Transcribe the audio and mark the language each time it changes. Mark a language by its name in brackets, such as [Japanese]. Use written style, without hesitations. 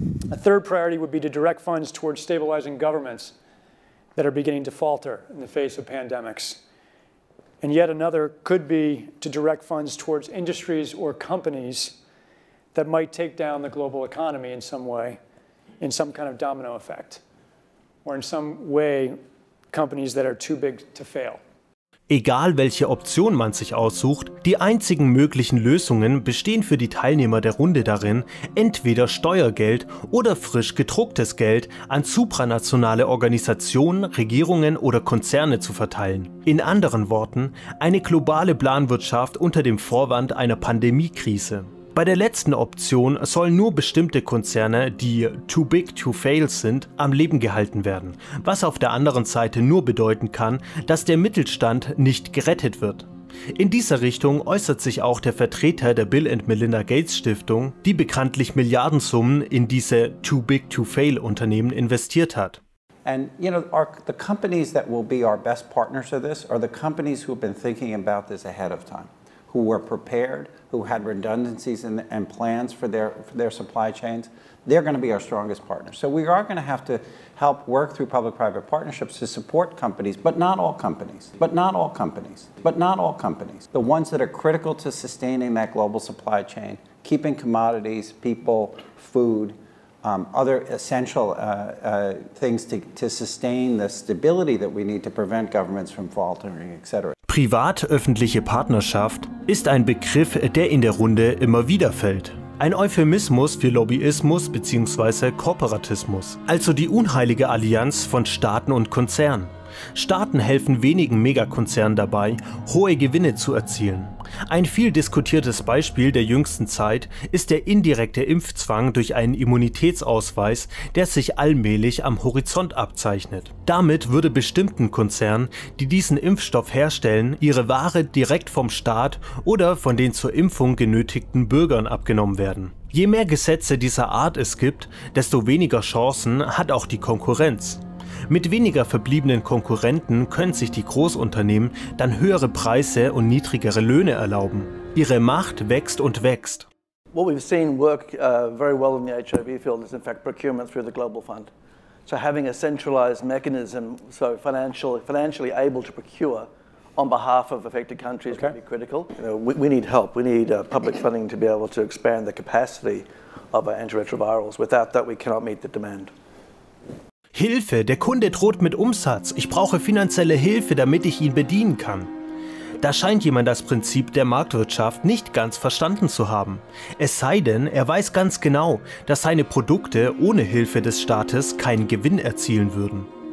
[English] A third priority would be to direct funds towards stabilizing governments that are beginning to falter in the face of pandemics. And yet another could be to direct funds towards industries or companies that might take down the global economy in some way, in some kind of domino effect, or in some way companies that are too big to fail. [German] Egal, welche Option man sich aussucht, die einzigen möglichen Lösungen bestehen für die Teilnehmer der Runde darin, entweder Steuergeld oder frisch gedrucktes Geld an supranationale Organisationen, Regierungen oder Konzerne zu verteilen. In anderen Worten, eine globale Planwirtschaft unter dem Vorwand einer Pandemiekrise. Bei der letzten Option sollen nur bestimmte Konzerne, die [English] too big to fail [German] sind, am Leben gehalten werden, was auf der anderen Seite nur bedeuten kann, dass der Mittelstand nicht gerettet wird. In dieser Richtung äußert sich auch der Vertreter der Bill & Melinda Gates Stiftung, die bekanntlich Milliardensummen in diese [English] too big to fail [German] Unternehmen investiert hat. [English] And you know, the companies that will be our best partners for this are the companies who have been thinking about this ahead of time, who were prepared, who had redundancies and plans for their supply chains. They're going to be our strongest partner. So we are going to have to help work through public-private partnerships to support companies, but not all companies, but not all companies, but not all companies. The ones that are critical to sustaining that global supply chain, keeping commodities, people, food, other essential things to sustain the stability that we need to prevent governments from faltering, etc. [German] Privat-öffentliche Partnerschaft ist ein Begriff, der in der Runde immer wieder fällt. Ein Euphemismus für Lobbyismus bzw. Korporatismus, also die unheilige Allianz von Staaten und Konzernen. Staaten helfen wenigen Megakonzernen dabei, hohe Gewinne zu erzielen. Ein viel diskutiertes Beispiel der jüngsten Zeit ist der indirekte Impfzwang durch einen Immunitätsausweis, der sich allmählich am Horizont abzeichnet. Damit würde bestimmten Konzernen, die diesen Impfstoff herstellen, ihre Ware direkt vom Staat oder von den zur Impfung genötigten Bürgern abgenommen werden. Je mehr Gesetze dieser Art es gibt, desto weniger Chancen hat auch die Konkurrenz. Mit weniger verbliebenen Konkurrenten können sich die Großunternehmen dann höhere Preise und niedrigere Löhne erlauben. Ihre Macht wächst und wächst. [English] What we've seen work very well in the HIV field is in fact procurement through the Global Fund. So having a centralized mechanism, so financially able to procure on behalf of affected countries can be critical. You know, we need help. We need public funding to be able to expand the capacity of our antiretrovirals. Without that we cannot meet the demand. [German] Hilfe, der Kunde droht mit Umsatz. Ich brauche finanzielle Hilfe, damit ich ihn bedienen kann. Da scheint jemand das Prinzip der Marktwirtschaft nicht ganz verstanden zu haben. Es sei denn, er weiß ganz genau, dass seine Produkte ohne Hilfe des Staates keinen Gewinn erzielen würden.